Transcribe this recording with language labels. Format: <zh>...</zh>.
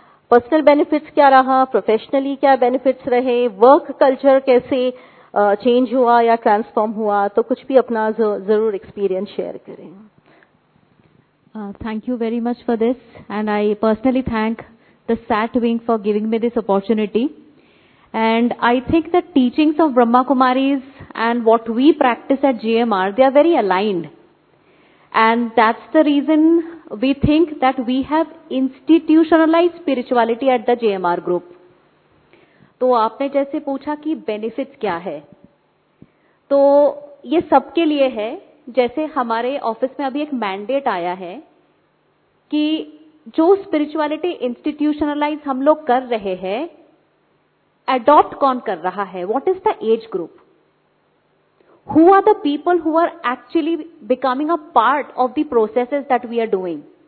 <hi>Personal benefits क्या रहा, professionally क्या बेनिफिट्स रहे, वर्क कल्चर कैसे चेंज हुआ या ट्रांसफॉर्म हुआ? तो कुछ भी अपना जरूर एक्सपीरियंस शेयर करें।</hi> <en>Thank you very much for this and I personally thank the sat wing for giving me this opportunity. And I think the teachings of Brahma Kumaris and what we practice at GMR, they are very aligned. And that's the reason we think that we have institutionalized spirituality at the GMR group.</en> <hi>तो आपने जैसे पूछा कि benefits क्या है, तो ये सबके लिए है। जैसे हमारे ऑफिस में अभी एक mandate आया है कि जो spirituality institutionalized हम लोग कर रहे हैं, adopt कौन कर रहा है,</hi> <en>what is the age group, who are the people who are actually becoming a part of the processes that we are doing।</en>